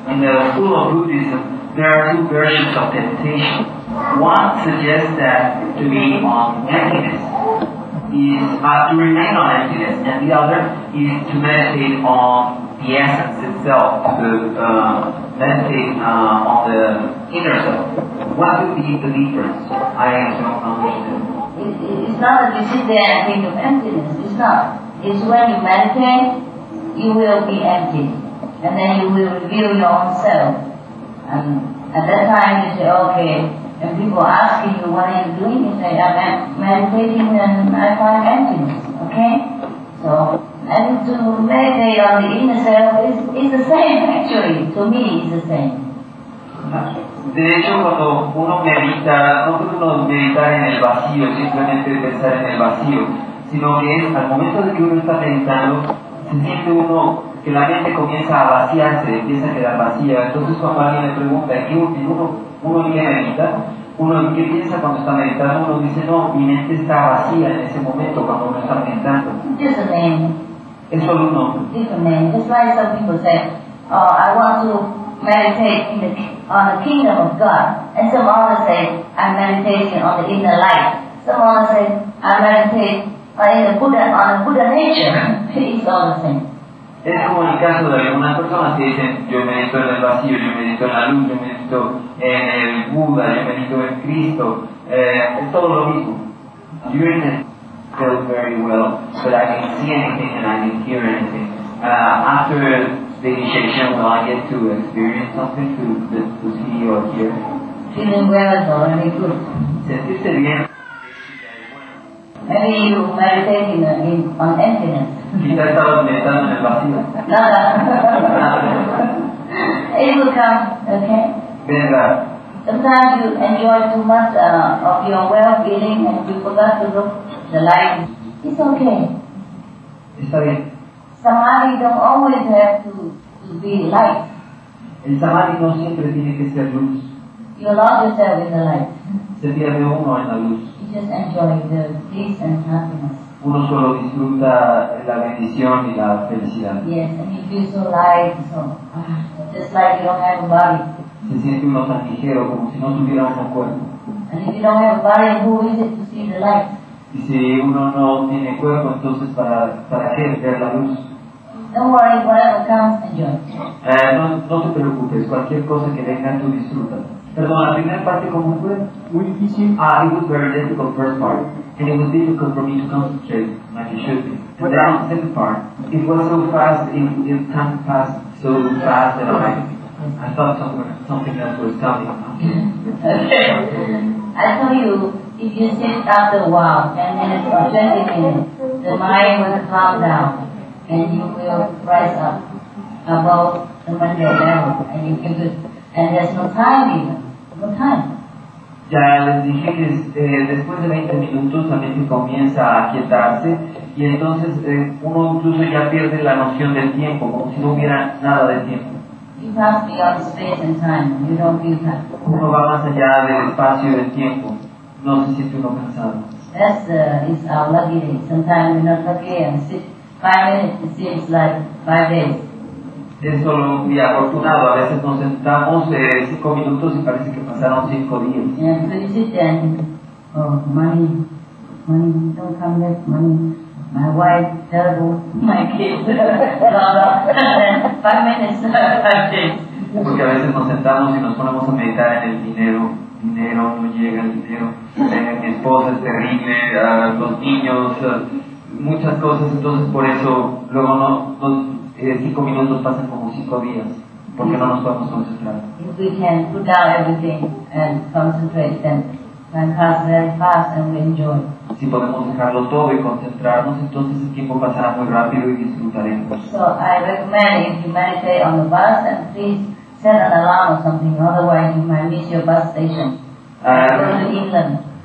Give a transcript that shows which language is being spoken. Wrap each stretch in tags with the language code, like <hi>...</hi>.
<en>In the school of Buddhism, there are two versions of meditation. One suggests that to be on emptiness is to remain on emptiness, and the other is to meditate on the essence itself, to meditate on the inner self. What would be the difference? I don't understand. It's not that you sit there and think of emptiness. It's not. It's when you meditate, you will be empty. And then you will reveal your own self. And at that time you say, okay. And people are asking you, what are you doing? You say, I'm meditating and I find emptiness. Okay? So, and to meditate on the inner self is the same, actually. To me, it's the same.</en> <es>De hecho, cuando uno medita, no solo meditar en el vacío, simplemente pensar en el vacío, sino que es al momento de que uno está meditando, se siente uno que la mente comienza a vaciarse, empieza a quedar vacía. Entonces, cuando alguien me pregunta, ¿qué uno viene a meditar? ¿Uno qué piensa cuando está meditando? Uno dice, no, mi mente está vacía en ese momento cuando uno está meditando.</es> <en>Just a name.</en> <es>Es solo un</es> <en>nombre. Just a name. Just like some people say, oh, I want to meditate in on the kingdom of God, and some others say, I'm meditating on the inner light. Some others say, I'm meditating on the Buddha nature. It's all the same.</en> <es>Es como el caso de algunas personas que dicen, yo medito en el vacío, yo medito en la luz, yo medito en el Buda, yo medito en Cristo. Es todo lo mismo.</es> <en>You didn't feel very well, but I didn't see anything and I didn't hear anything. After the initiation, will I get to experience something to see or hear? Feeling well is already good.</en> <es>Sentirse bien.</es> <en>Maybe you meditate on emptiness.</en> <es>Quizás estabas meditando en el vacío.</es> <en>Nada. It will come, okay?</en> <es>Venga.</es> <en>Sometimes you enjoy too much of your well-being and you forgot to look the light. It's okay.</en> <es>Está bien.</es> <en>Samadhi don't always have to be light.</en> <es>El samadhi no siempre tiene que ser luz.</es> <en>You love yourself in the light.</en> <es>Se pierde uno en la luz.</es> <en>You just enjoy the peace and happiness.</en> <es>Uno solo disfruta la bendición y la felicidad.</es> <en>Yes, and you feel so light, so just like you don't have a body.</en> <es>Se siente uno tan ligero como si no tuviera un cuerpo.</es> <en>And if you don't have a body, who is it to see the light?</en> <es>Y si uno no tiene cuerpo, entonces para qué ver la luz?</es> <en>Don't worry, whatever comes, enjoy.</en> <es>No te preocupes, cualquier cosa que venga, tú disfruta. Perdón, la primera parte, ¿cómo fue? Muy difícil.</es> <en>Ah, it was very difficult, first part. And it was difficult for me to concentrate, like it should be. But then, the second part, it was so fast, it can't pass so fast that I thought something else was coming. Okay. I tell you, if you sit after a while, 10 minutes or 20 minutes, the mind will calm down, and you will rise up above the Monday level, and you can just... And there's no time even. No time.</en> <es>Ya les dije que después de 20 minutos también se comienza a aquietarse y entonces uno incluso ya pierde la noción del tiempo, como si no hubiera nada de tiempo.</es> <en>You pass beyond space and time. You don't feel that.</en> <es>Uno va más allá del espacio y del tiempo. No se siente uno cansado.</es> <en>That's is our lucky day. Sometimes we're not lucky and sit 5 minutes, it seems like 5 days.</en> <es>Es solo un día afortunado, a veces nos sentamos 5 minutos y parece que pasaron 5 días.</es> <en>Yeah, so you sit there and money, don't come back, money, my wife, terrible, my kids, blah, blah, 5 minutes, 5 days.</en> <es>Porque a veces nos sentamos y nos ponemos a meditar en el dinero, no llega el dinero, mi esposa es terrible, los niños, muchas cosas, entonces por eso luego no 5 minutos pasan como 5 días porque no nos podemos concentrar.</es> <en>If we can put down everything and concentrate, then time passes very fast and we enjoy.</en> <es>Si podemos dejarlo todo y concentrarnos, entonces el tiempo pasará muy rápido y disfrutaremos.</es> <en>So I recommend if you meditate on the bus, and please set an alarm or something, otherwise you might miss your bus station. Go to England.</en>